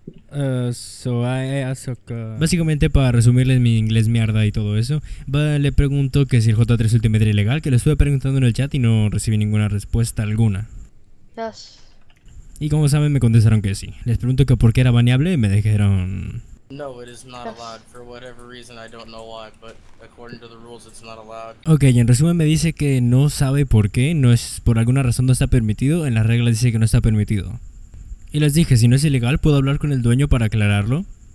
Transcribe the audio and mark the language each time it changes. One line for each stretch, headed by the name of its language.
Spanish: Básicamente para resumirles mi inglés mierda y todo eso, le pregunto que si el J3 Ultimate era ilegal, que lo estuve preguntando en el chat y no recibí ninguna respuesta alguna.
English: Yes.
Spanish: Y como saben me contestaron que sí. Les pregunto que por qué era baneable y me dijeron
English: no, it is not allowed for whatever reason, I don't know why, but according to the rules it's not allowed.
Spanish: Okay, en resumen me dice que no sabe por qué, no es por alguna razón no está permitido, en las reglas dice que no está permitido. Y les dije, si no es ilegal, ¿puedo hablar con el dueño para aclararlo?